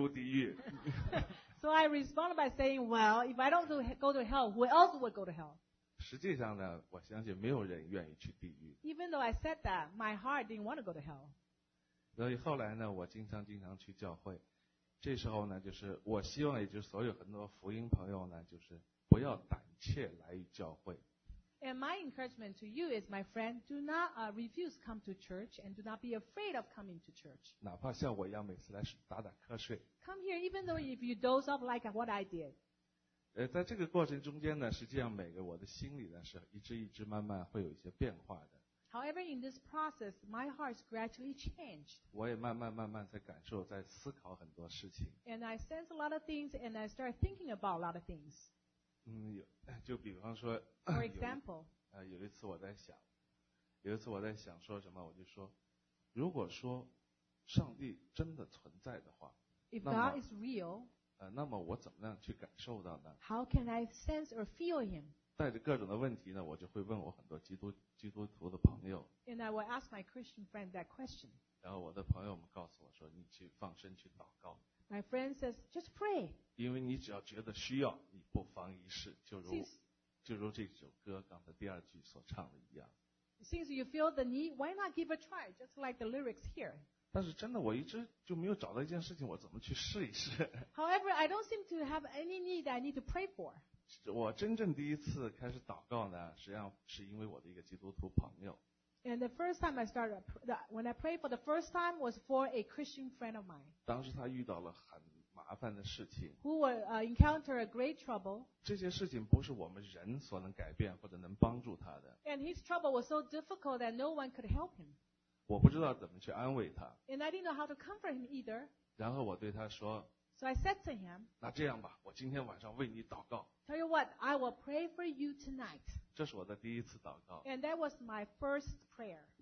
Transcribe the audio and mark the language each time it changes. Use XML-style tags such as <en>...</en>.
<zh>当时我还很嘴硬的回了一句：“我们就曾经如果是个佛教徒都知道的话，我不入地狱，谁入地狱？”So</zh> <en>I responded by saying, "Well, if I don't go to hell, who else would go to hell?"</en> <zh>实际上呢，我相信没有人愿意去地狱。</zh> <en>Even though I said that, my heart didn't want to go to hell.</en> <zh>所以后来呢，我经常去教会。这时候呢，就是我希望，也就是所有很多福音朋友呢，就是不要胆怯来教会。</zh> <en>And my encouragement to you is, my friend, do not refuse to come to church and do not be afraid of coming to church.</en> <zh>哪怕像我一样每次来打打瞌睡。</zh> <en>Come here, even though if you doze off like what I did.</en> <zh>在这个过程中间呢，实际上每个我的心里呢是一直一直慢慢会有一些变化的。</zh> <en>However, in this process, my heart is gradually changed.</en> <zh>我也慢慢慢慢在感受，在思考很多事情。</zh> <en>And I sense a lot of things, and I start thinking about a lot of things.</en> <zh>就比方说。</zh> <en>For example.</en> <zh>有一次我在想说什么，我就说，如果说上帝真的存在的话</zh> <en>，If God is real.</en> <zh>那么我怎么样去感受到呢</zh> <en>？How can I sense or feel Him?</en> <zh>带着各种的问题呢，我就会问我很多基督徒的朋友。</zh> <en>And I will ask my Christian friend that question.</en> <zh>然后我的朋友们告诉我说，你去放声去祷告。</zh> <en>My friend says, just pray.</en> <zh>因为你只要觉得需要，你不妨一试，就如这首歌刚才第二句所唱的一样。</zh> <en>Since you feel the need, why not give a try? Just like the lyrics here.</en> <zh>但是真的，我一直就没有找到一件事情，我怎么去试一试</zh> <en>？However, I don't seem to have any need that I need to pray for.</en> <zh>我真正第一次开始祷告呢，实际上是因为我的一个基督徒朋友。</zh> <en>And the first time I started, when I prayed for the first time was for a Christian friend of mine.</en> <zh>当时他遇到了很麻烦的事情。</zh> <en>Who were encounter a great trouble.</en> <zh>这些事情不是我们人所能改变或者能帮助他的。</zh> <en>And his trouble was so difficult that no one could help him.</en> <zh>我不知道怎么去安慰他。</zh> <en>And I didn't know how to comfort him either.</en> <zh>然后我对他说。</zh> <en>So I said to him,</en> <zh>那这样吧，我今天晚上为你祷告。</zh> <en>Tell you what, I will pray for you tonight.</en> <zh>这是我的第一次祷告。</zh> <en>And that was my first prayer.</en>